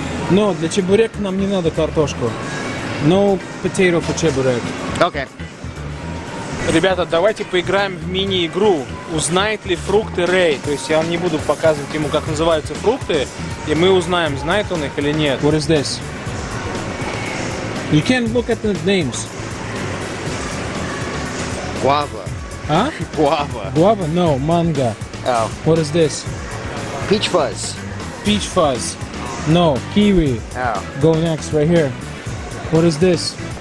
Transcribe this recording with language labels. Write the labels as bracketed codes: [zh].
[ru] Но для чебурек нам не надо картошку. [en] No potato for чебурек. [ru] Окей. Ребята, давайте поиграем в мини-игру. Узнает ли фрукты Рэй? То есть я не буду показывать ему, как называются фрукты. И мы узнаем, знает он их или нет. [en] What is this? You can't look at the names. Guava. А? Guava. Guava? No, mango. Oh. What is this? Peach fuzz. Peach fuzz. No, kiwi. Oh. Go next, right here. What is this?